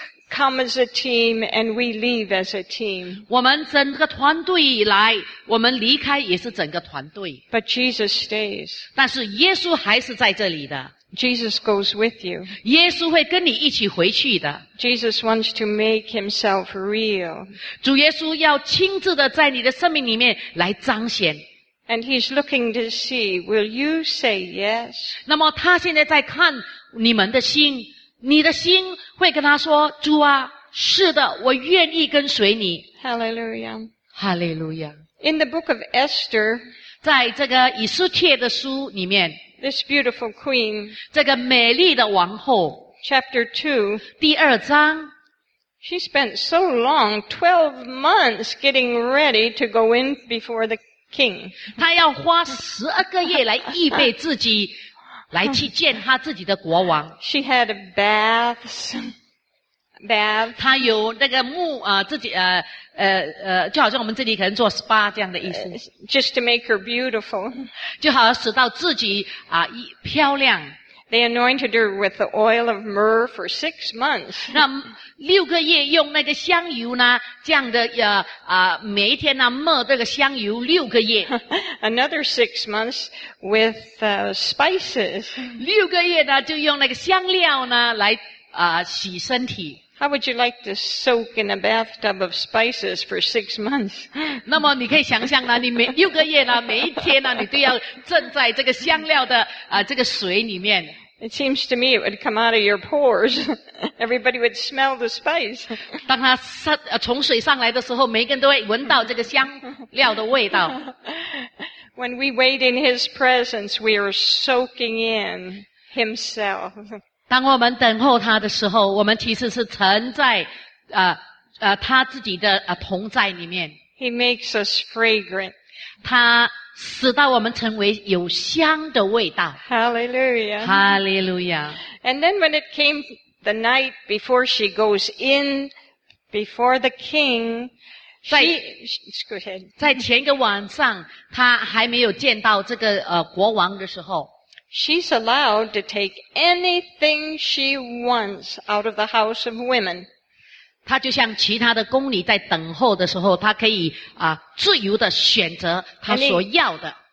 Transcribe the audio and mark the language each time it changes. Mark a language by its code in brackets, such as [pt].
[en] Come as a team and we leave as a team. [zh] 我们整个团队以来，我们离开也是整个团队。 [en] But Jesus stays. [zh] 但是耶稣还是在这里的。 [en] Jesus goes with you. [zh] 耶稣会跟你一起回去的。 [en] Jesus wants to make himself real. [zh] 主耶稣要亲自的在你的生命里面来彰显。 [en] And he's looking to see, will you say yes? [zh] 那么他现在在看你们的心。你的心会跟他说主啊是的我愿意跟随你 [en] Hallelujah Hallelujah In the book of Esther [zh] 在这个以斯帖的书里面 [en] This beautiful queen [zh] 这个美丽的王后 [en] Chapter 2 [zh] 第二章 [en] She spent so long 12 months getting ready to go in before the king [zh] 她要花12个月来预备自己来去见他自己的国王。 [en] She had baths. Bath. [zh] 他有那个沐自己就好像我们这里可能做 spa 这样的意思。 [en] Just to make her beautiful. [zh] 就好像使到自己漂亮。 [en] They anointed her with the oil of myrrh for 6 months. [zh] 那六个月用那个香油呢这样的每一天呢抹这个香油六个月。 [en] Another 6 months with spices. [zh] 六个月呢就用那个香料呢来洗身体。 [en] How would you like to soak in a bathtub of spices for 6 months? [zh] 那么你可以想象呢，你每六个月呢，每一天呢，你都要浸在这个香料的这个水里面。 [en] It seems to me it would come out of your pores. Everybody would smell the spice. [zh] 当它从水上来的时候，每个人都会闻到这个香料的味道。 [en] When we wait in His presence, we are soaking in. himself. [zh] 当我们等候他的时候，我们其实是沉在他自己的同在里面。 [en] He makes us fragrant. [zh] 他使到我们成为有香的味道。 [en] Hallelujah. Hallelujah. And then when it came the night before she goes in before the king, she [zh] 在前一个晚上，他还没有见到这个国王的时候。 [en] She's allowed to take anything she wants out of the house of women. [zh] 她就像其他的宫女在等候的时候，她可以自由的选择她所要的。